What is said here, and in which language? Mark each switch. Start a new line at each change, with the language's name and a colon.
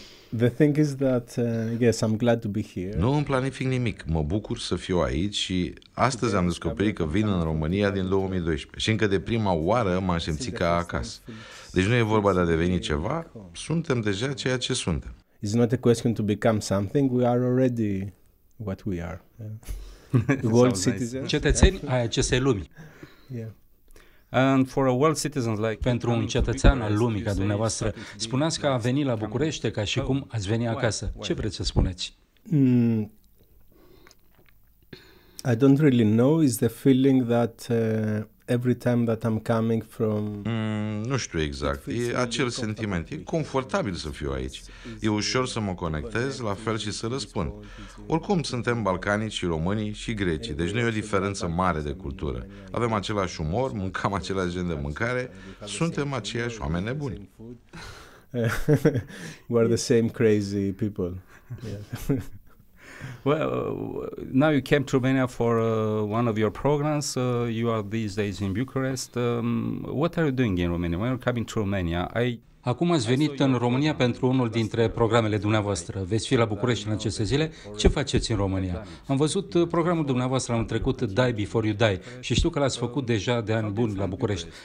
English: The thing is that yes, I'm glad to be here.
Romanian: Nu îmi planific nimic. Mă bucur să fiu aici și astăzi am descoperit că vin în România din 2012. Și încă de prima oară m-am simțit ca acasă. Deci nu e vorba de a deveni ceva, suntem deja ceea ce suntem.
English: It's not a question to become something, we are already what we are. World citizens,
Romanian: cetățeni ai acestei lumi.
English: Yeah. And for a world citizen like
Romanian: pentru un cetățean al lumii ca dumneavoastră, spuneați că a venit la București ca și cum ați venit acasă. Ce vreți să spuneți?
English: I don't really know, is the feeling that every time that I'm coming from
Romanian: nu știu exact. E acel sentiment. E confortabil să fiu aici. E ușor să mă conectez, la fel și să răspund. Oricum, suntem balcanici și românii și grecii, deci nu e o diferență mare de cultură. Avem același umor, mâncăm același gen de mâncare, suntem aceiași oameni nebuni.
English: We're the same crazy people. Well, now you came to Romania for one of your programs. You are these days in Bucharest. What are you doing in Romania? When you're coming to Romania,
Romanian: acum ați venit în România pentru unul dintre programele dumneavoastră. Veți fi la București în aceste zile. Ce faceți în România? Am văzut programul dumneavoastră anul trecut, Die Before You Die, și știu că l-ați făcut deja de ani buni la București.